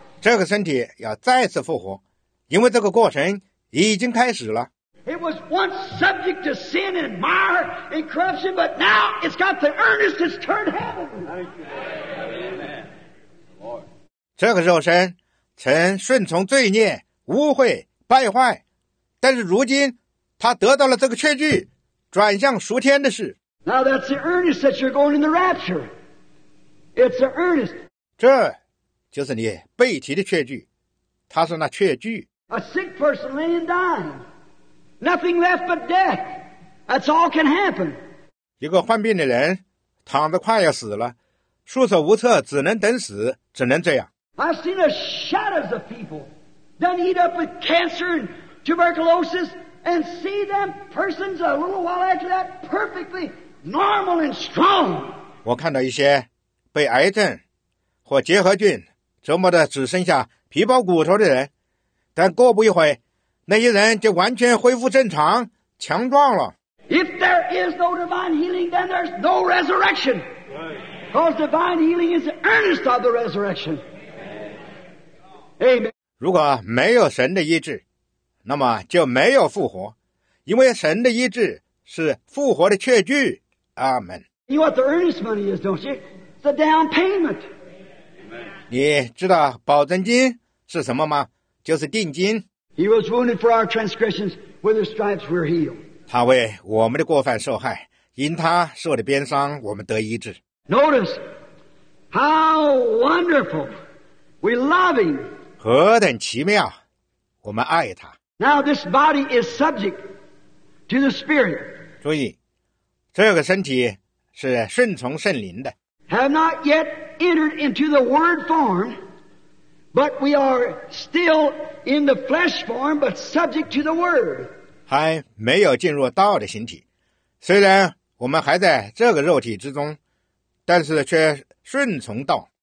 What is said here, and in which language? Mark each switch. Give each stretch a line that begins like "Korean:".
Chinese: 这个身体要再次复活，因为这个过程已经开始了。
English: It was once subject to sin and mire and corruption, but now it's got the earnest that's turned heaven. Amen. Lord.
Chinese: 这个肉身曾顺从罪孽、污秽、败坏，但是如今他得到了这个确据，转向赎天的事。
English: Now that's the earnest that you're going in the rapture. It's the earnest.
Chinese: 这就是你背题的确据，他是那确据。
English: A sick person laying dying, nothing left but death. That's all can happen.
Chinese: 一个患病的人躺着快要死了，束手无策，只能等死，只能这样。
English: I've seen the shadows of people done eat up with cancer and tuberculosis, and see them persons a little while after that perfectly normal and strong.
Chinese: 我看到一些被癌症或结核菌折磨的只剩下皮包骨头的人，但过不一会，那些人就完全恢复正常，强壮了。
English: If there is no divine healing, then there's no resurrection. Because divine healing is the earnest of the resurrection. Amen.
Chinese: 如果没有神的医治，那么就没有复活，因为神的医治是复活的确据。阿门。
English: You know what the earnest money is, don't you? The down payment.
Chinese: 你知道保证金是什么吗？就是定金。
English: He was wounded for our transgressions, with his stripes we're healed.
Chinese: 他为我们的过犯受害，因他受的鞭伤，我们得医治。
English: Notice how wonderful we love him.
Chinese: 何等奇妙，我们爱他。
English: Now this body is subject to the Spirit.
Chinese: 注意，这个身体是顺从圣灵的。
English: Have not yet entered into the word form, but we are still in the flesh form, but subject to the word.
Chinese: 还没有进入道的形体，虽然我们还在这个肉体之中，但是却顺从道。